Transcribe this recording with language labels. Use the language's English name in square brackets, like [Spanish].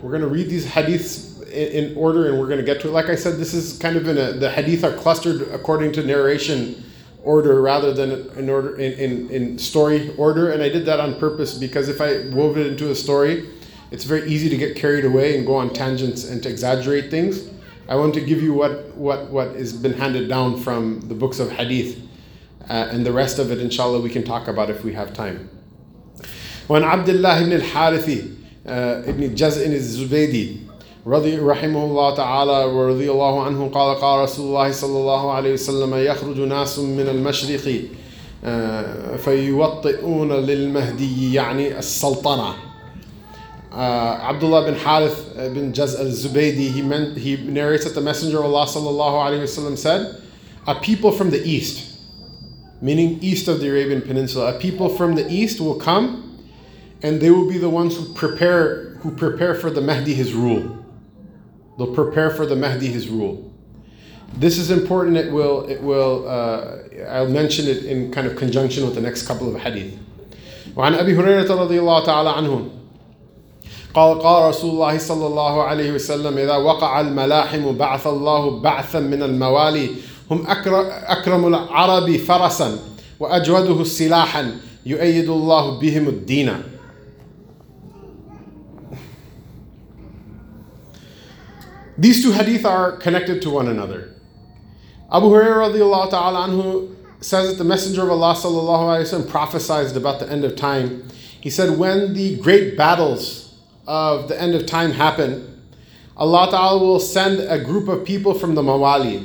[English] We're going to read these hadiths in order and we're going to get to it. Like I said, this is kind of the hadith are clustered according to narration order rather than in order in story order, and I did that on purpose because if I wove it into a story, it's very easy to get carried away and go on tangents and to exaggerate things. I want to give you what has been handed down from the books of hadith, and the rest of it inshallah we can talk about if we have time. [Arabic] When Abdullah ibn al-Harithi ibn Jaz'in al-Zubaydi رضي رحمه الله تعالى ورضي الله عنه قال قال رسول الله صلى الله عليه وسلم يخرج ناس من المشرق فيوطئون للمهدي يعني السلطنة. [English] عبد الله بن حارث بن جزء الزبيدي he narrates that the Messenger of Allah صلى الله عليه وسلم said, a people from the east, meaning east of the Arabian Peninsula, a people from the east will come and they will be the ones who prepare for the Mahdi his rule. They'll prepare for the Mahdi his rule. This is important. I'll mention it in kind of conjunction with the next couple of hadith. [Arabic] وعن أبي هريرة رضي الله تعالى عنه قال قال رسول الله صلى الله عليه وسلم إذا وقع الملاحم بعث الله بعثا من الموالي هم أكرم العرب فرسا وأجوده سلاحا يؤيد الله بهم الدين. [English] These two hadith are connected to one another. Abu Hurairah radiallahu ta'ala anhu says that the Messenger of Allah sallallahu alayhi wa sallam prophesied about the end of time. He said, when the great battles of the end of time happen, Allah ta'ala will send a group of people from the Mawali.